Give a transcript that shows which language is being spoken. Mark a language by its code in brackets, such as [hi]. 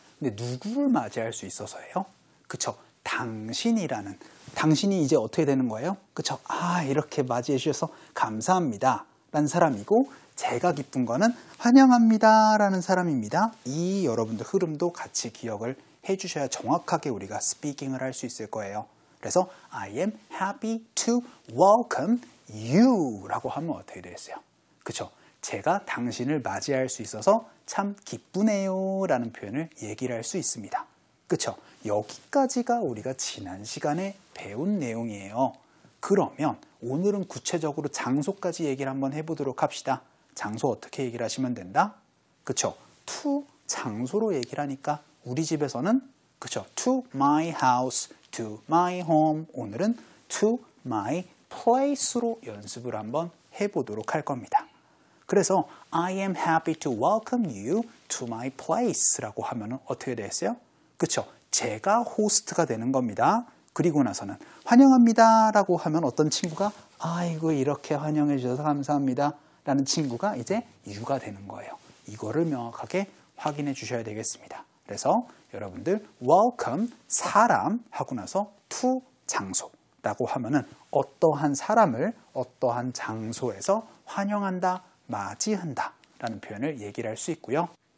[ko] 근데 누구를 맞이할 수 있어서예요? 그렇죠. 당신이라는, 당신이 이제 어떻게 되는 거예요? 그렇죠. 이렇게 맞이해 주셔서 감사합니다 라는 사람이고, 제가 기쁜 거는 환영합니다 라는 사람입니다. 이 여러분들 흐름도 같이 기억을 해주셔야 정확하게 우리가 스피킹을 할 수 있을 거예요. 그래서 [en] I am happy to welcome you [ko] 라고 하면 어떻게 되겠어요? 그렇죠. 제가 당신을 맞이할 수 있어서 참 기쁘네요 라는 표현을 얘기를 할 수 있습니다. 그렇죠. 여기까지가 우리가 지난 시간에 배운 내용이에요. 그러면 오늘은 구체적으로 장소까지 얘기를 한번 해보도록 합시다. 장소 어떻게 얘기를 하시면 된다? 그렇죠. to 장소로 얘기를 하니까 우리 집에서는, 그렇죠. [en] to my house, to my home, [ko] 오늘은 [en] to my place로 [ko] 연습을 한번 해보도록 할 겁니다. 그래서 [en] I am happy to welcome you to my place [ko] 라고 하면 어떻게 되겠어요? 그렇죠. 제가 호스트가 되는 겁니다. 그리고 나서는 환영합니다 라고 하면 어떤 친구가, 아이고 이렇게 환영해 주셔서 감사합니다 라는 친구가 이제 you가 되는 거예요. 이거를 명확하게 확인해 주셔야 되겠습니다. 그래서 여러분들 welcome 사람 하고 나서 to 장소 라고 하면은 어떠한 사람을 어떠한 장소에서 환영한다, 맞이한다 라는 표현을 얘기를 할 수 있고요.